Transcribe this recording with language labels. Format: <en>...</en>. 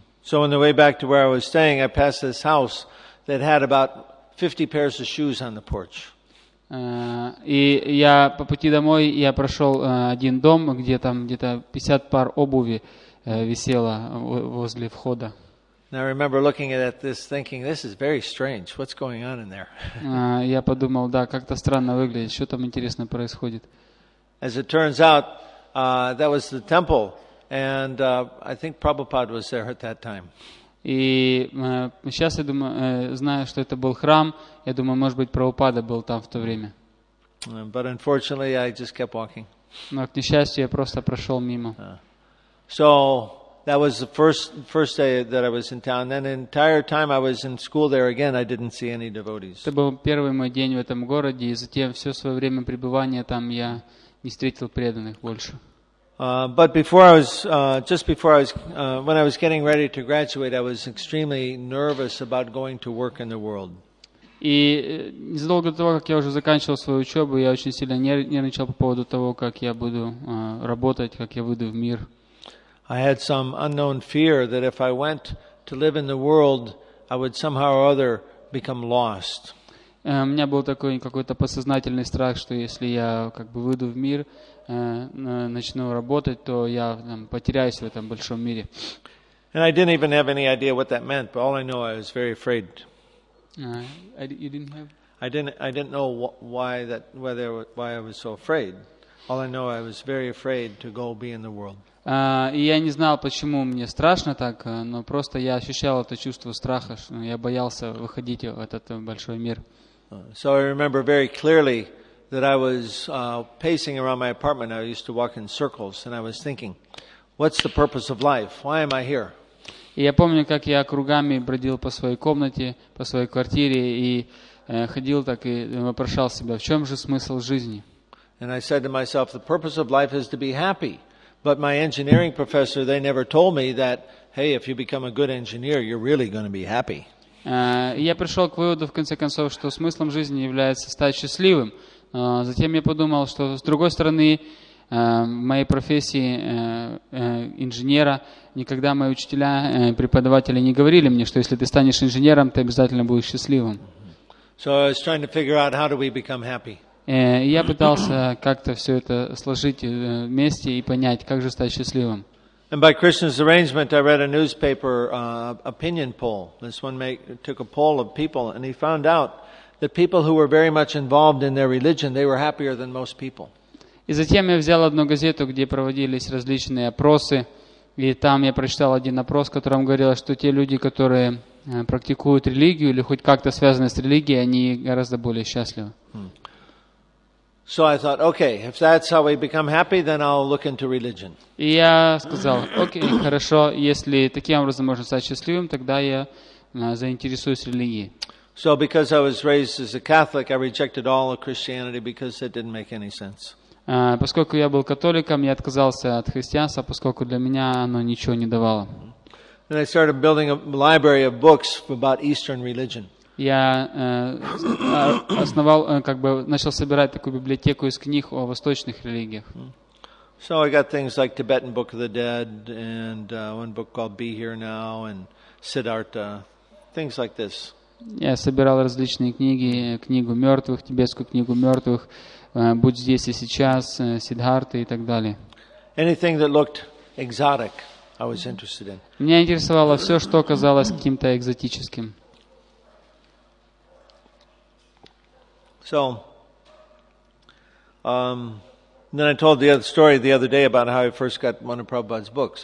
<en>So on the way back to where I was staying, I passed this house that had about 50 pairs of shoes on the porch.</en> <ru>И я по пути домой я прошел один дом, где там где-то 50 пар обуви висело возле входа.</ru> <en>And I remember looking at this, thinking, "This is very strange. What's going on in there?"</en> <ru>Я подумал, да, как-то странно выглядит. Что там интересно происходит?</ru> <en>As it turns out, that was the temple. And I think Prabhupada was there at that time.</en> <ru>И сейчас я думаю, знаю, что это был храм. Я думаю, может быть, Прабхупада был там в то время.</ru> <en>But unfortunately, I just kept walking.</en> <ru>Но к несчастью, я просто прошел мимо.</ru> <en>So that was the first day that I was in town. Then the entire time I was in school there again, I didn't see any devotees.</en> <ru>Это был первый мой день в этом городе, и затем все свое время пребывания там я не встретил преданных больше.</ru> <en>But before I was, just before I was, when I was getting ready to graduate, I was extremely nervous about going to work in the world.</en> <ru>И незадолго до того, как я уже заканчивал свою учебу, я очень сильно нервничал по поводу того, как я буду работать, как я выйду в мир.</ru> <en>I had some unknown fear that if I went to live in the world, I would somehow or other become lost.</en> <ru>У меня был такой какой-то подсознательный страх, что если я как бы выйду в мир, начну работать, то я там, потеряюсь в этом большом мире.</ru> <en>And I didn't even have any idea what that meant, but all I know, I was very afraid. You didn't have? I didn't know why I was so afraid. All I know, I was very afraid to go be in the world.</en> <ru>И я не знал, почему мне страшно так, но просто я ощущал это чувство страха, что я боялся выходить в этот большой мир.</ru> <en>So I remember very clearly that I was pacing around my apartment. I used to walk in circles, and I was thinking, what's the purpose of life? Why am I here?</en> <ru>И я помню, как я кругами бродил по своей комнате, по своей квартире, и ходил так и вопрошал себя, в чем же смысл жизни?</ru> <en>And I said to myself, the purpose of life is to be happy. But my engineering professor, they never told me that, hey, if you become a good engineer, you're really going to be happy.</en> <ru>Я пришел к выводу, в конце концов, что смыслом жизни является стать счастливым. Затем я подумал, что с другой стороны, в моей профессии инженера никогда мои учителя, преподаватели не говорили мне, что если ты станешь инженером, ты обязательно будешь счастливым.</ru> <en>So I was trying to figure out how do we become happy.</en> <ru>Я пытался как-то все это сложить вместе и понять, как же стать счастливым.</ru> <en>And by Krishna's arrangement, I read a newspaper opinion poll. This one took a poll of people, and he found out that people who were very much involved in their religion, they were happier than most people.</en> <ru>И затем я взял одну газету, где проводились различные опросы, и там я прочитал один опрос, в котором говорилось, что те люди, которые практикуют религию или хоть как-то связаны с религией, они гораздо более счастливы.</ru> <en>So I thought, okay, if that's how we become happy, then I'll look into religion.</en> <ru>И я сказал, окей, хорошо, если таким образом можно стать счастливым, тогда я заинтересуюсь религией.</ru> <en>So because I was raised as a Catholic, I rejected all of Christianity because it didn't make any sense.</en> <ru>Поскольку я был католиком, я отказался от христианства, поскольку для меня оно ничего не давало.</ru> <en>And I started building a library of books about Eastern religion.</en> <ru>Я основал, как бы начал собирать такую библиотеку из книг о восточных религиях.</ru> <en>So I got things like Tibetan Book of the Dead and one book called Be Here Now and Siddhartha, things like this.</en> <ru>Я собирал различные книги, книгу мертвых, тибетскую книгу мертвых, Будь здесь и сейчас, Сиддхарты и так далее.</ru> <en>Anything that looked exotic, I was interested in.</en> <ru>Меня интересовало все, что казалось каким-то экзотическим.</ru> <en>So, then I told the other story the other day about how I first got one of Prabhupada's books.</en>